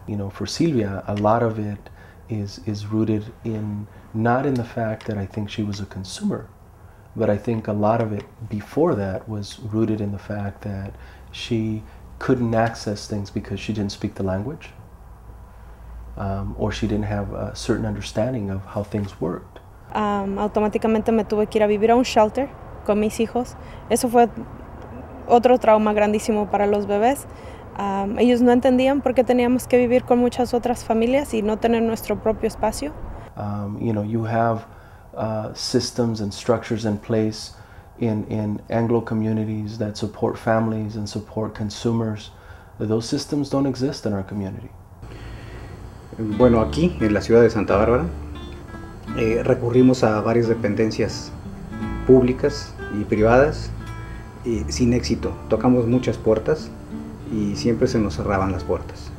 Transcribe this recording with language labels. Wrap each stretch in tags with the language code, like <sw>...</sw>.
<en>You know, for Silvia, a lot of it is rooted in, not in the fact that I think she was a consumer, but I think a lot of it before that was rooted in the fact that she couldn't access things because she didn't speak the language. Or she didn't have a certain understanding of how things worked.</en> <es>Automáticamente me tuve que ir a vivir a un shelter con mis hijos. Eso fue otro trauma grandísimo para los bebés. Ellos no entendían por qué teníamos que vivir con muchas otras familias y no tener nuestro propio espacio.</es> <en>You know, you have systems and structures in place in Anglo communities that support families and support consumers. Those systems don't exist in our community.</en> <es>Bueno, aquí, en la ciudad de Santa Bárbara, recurrimos a varias dependencias públicas y privadas y sin éxito. Tocamos muchas puertas y siempre se nos cerraban las puertas.</es>